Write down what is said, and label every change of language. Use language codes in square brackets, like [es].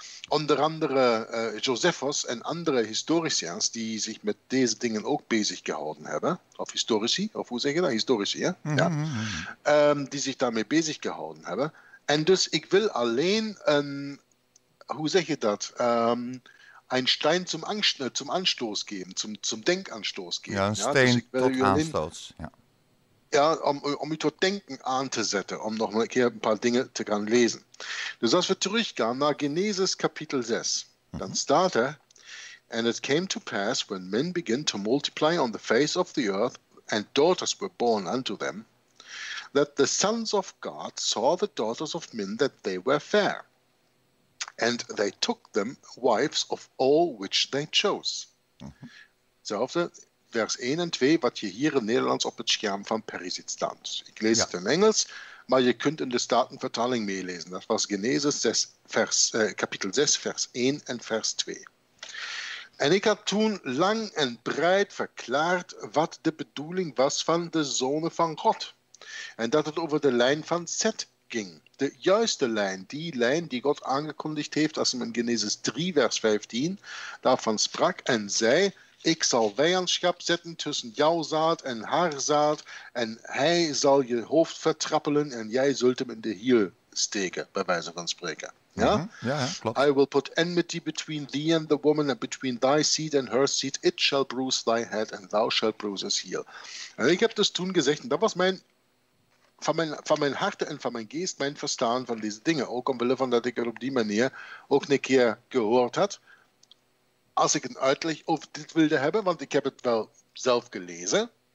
[nl] Onder andere Josephus en andere historiciërs die zich met deze dingen ook bezig gehouden hebben. Of historici, of hoe zeg je dat? Historici, ja. Mm-hmm. Ja. Die zich daarmee bezig gehouden hebben. En dus ik wil alleen een, hoe zeg je dat? [de] Ein Stein zum Anstoß geben, zum Denkanstoß geben. Ja, ein Stein tot Anstoß. Ja, ja, um mich tot Denken anzusetzen, um noch mal hier ein paar Dinge zu können lesen. Du sagst, wir zurückgehen nach Genesis Kapitel 6. Dann startet, [en] and it came to pass, when men begin to multiply on the face of the earth, and daughters were born unto them, that the sons of God saw the daughters of men, that they were fair. And they took them wives of all which they chose. Mm-hmm. [nl] Zelfde vers 1 en 2, wat je hier in Nederlands op het scherm van Perry ziet staan. Ik lees het in Engels, maar je kunt in de Statenvertaling meelezen. Dat was Genesis 6, kapitel 6, vers 1 en vers 2. En ik had toen lang en breed verklaard wat de bedoeling was van de zonen van God. En dat het over de lijn van Seth ging. De juiste lijn, die God aangekondigd heeft als hij in Genesis 3, vers 15, daarvan sprak en zei, ik zal vijandschap zetten tussen jouw zaad en haar zaad en hij zal je hoofd vertrappelen en jij zult hem in de hiel steken, bij wijze van spreken. Ja? Mm-hmm. Ja, klopt. [en] I will put enmity between thee and the woman and between thy seed and her seed. It shall bruise thy head and thou shalt bruise his heel. [nl] En ik heb dus toen gezegd, en dat was mijn Van mijn hart en van mijn geest, mijn verstaan van deze dingen. Ook omwille van dat ik het op die manier ook een keer gehoord had. Als ik een uitleg over dit wilde hebben, want ik heb het wel zelf gelezen.